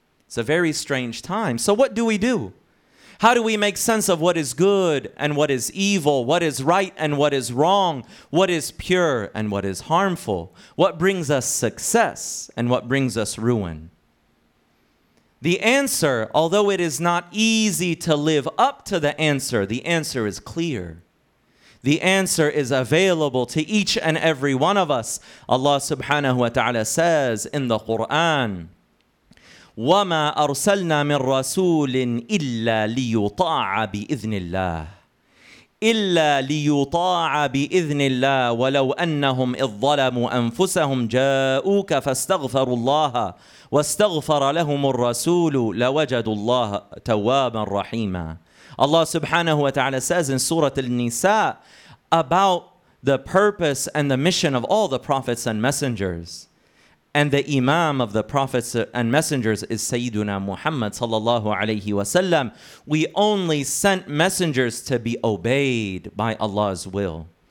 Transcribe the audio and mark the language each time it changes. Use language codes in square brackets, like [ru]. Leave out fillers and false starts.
[en] It's a very strange time. So what do we do? How do we make sense of what is good and what is evil, what is right and what is wrong, what is pure and what is harmful, what brings us success and what brings us ruin? The answer, although it is not easy to live up to the answer is clear. The answer is available to each and every one of us. Allah subhanahu wa ta'ala says in the Quran, [ar] وَمَا أَرْسَلْنَا مِنْ رَسُولٍ إِلَّا لِيُطَاعَ بِإِذْنِ اللَّهِ إِلَّا لِيُطَاعَ بِإِذْنِ اللَّهِ وَلَوْ أَنَّهُمْ إِذْ ظَلَمُوا أَنفُسَهُمْ جَاءُوكَ فَاسْتَغْفَرُوا اللَّهَ وَاسْتَغْفَرَ لَهُمُ الرَّسُولُ لَوَجَدُوا اللَّهَ تَوَّابًا رَحِيمًا. [en] Allah subhanahu wa ta'ala says in Surah Al-Nisa about the purpose and the mission of all the prophets and messengers. And the Imam of the Prophets and Messengers is Sayyiduna Muhammad sallallahu alayhi wa sallam. We only sent messengers to be obeyed by Allah's will.